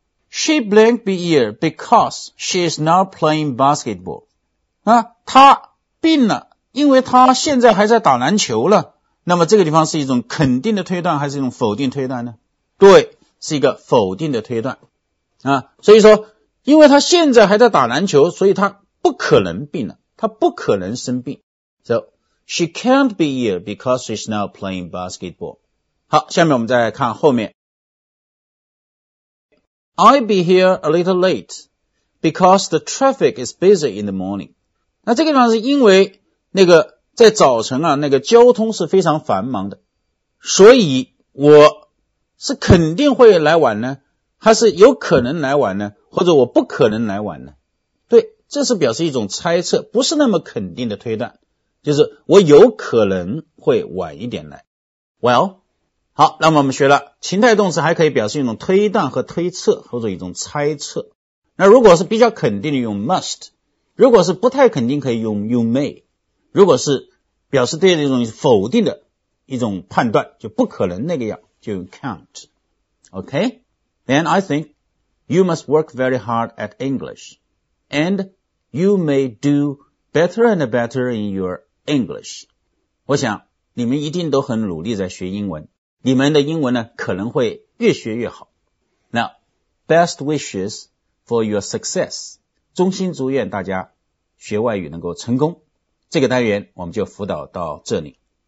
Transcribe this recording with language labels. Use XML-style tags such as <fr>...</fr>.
<en>She blinked the ear because she is not playing basketball.</en> <zh>啊，她病了，因为她现在还在打篮球了。那么这个地方是一种肯定的推断还是一种否定推断呢？对，是一个否定的推断。啊，所以说，因为她现在还在打篮球，所以她不可能病了，她不可能生病。</zh> <en>So, she can't be ill because she is not playing basketball.</en> <zh>好，下面我们再看后面。</zh> <en>I'll be here a little late because the traffic is busy in the morning.</en> <zh>那这个地方是因为那个在早晨啊那个交通是非常繁忙的。所以我是肯定会来晚呢还是有可能来晚呢或者我不可能来晚呢对这是表示一种猜测不是那么肯定的推断。就是我有可能会晚一点来。</zh> <en>Well,</en> <zh>好，那么我们学了情态动词还可以表示一种推断和推测或者一种猜测。那如果是比较肯定的用 must， 如果是不太肯定可以用 you may， 如果是表示对的一种否定的一种判断就不可能那个样就用 can't。</zh> <en>OK， then I think you must work very hard at English and you may do better and better in your English。</en> <zh>我想你们一定都很努力在学英文，你们的英文呢可能会越学越好。</zh> <en>Now, best wishes for your success.</en> <zh>衷心祝愿大家学外语能够成功。这个单元我们就辅导到这里。</zh>